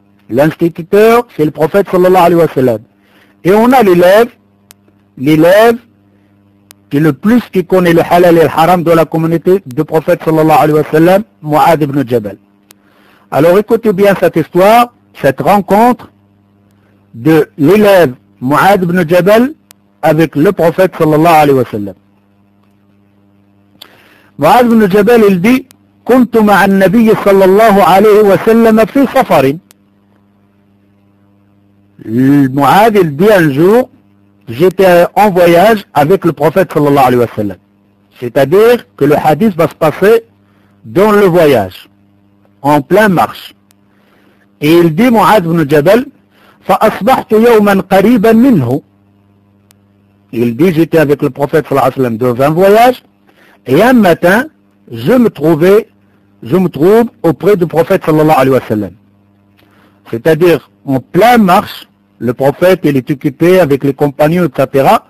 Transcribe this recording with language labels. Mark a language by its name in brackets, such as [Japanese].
[French] L'instituteur, c'est le prophète sallallahu alayhi wa sallam. Et on a l'élève qui est le plus qui connaît le halal et le haram dans la communauté du prophète sallallahu alayhi wa sallam, Mu'adh ibn Jabal. Alors écoutez bien cette histoire, cette rencontre de l'élève Mu'adh ibn Jabal avec le prophète sallallahu alayhi wa sallam. [Arabic] Mu'adh ibn Jabal, [French] il dit, [Arabic] كنت مع النبي صلى الله عليه وسلم في سفر. [French] المعاذ بيان جور j'étais en voyage avec le prophète صلى الله عليه وسلم. C'est-à-dire que le hadith va se passer dans le voyage, en plein marche. Et il dit [Arabic] معاذ بن جبل فأصبحت يوما قريبا منه. [French] Il dit j'étais avec le prophète صلى الله عليه وسلم dans un voyage, et un matin je me trouve auprès du prophète sallallahu alayhi wa sallam. C'est-à-dire, en plein marche, le prophète, il est occupé avec les compagnons, etc.